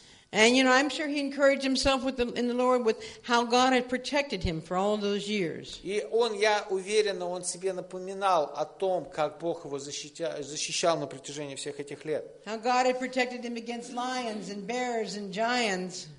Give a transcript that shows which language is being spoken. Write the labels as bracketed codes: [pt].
[en] And you know, I'm sure he encouraged himself in the Lord with how God had protected him for all those years. [ru] И он, я уверен, он себе напоминал о том, как Бог его защищал на протяжении всех этих лет. [en] How God had protected him against lions and bears and giants.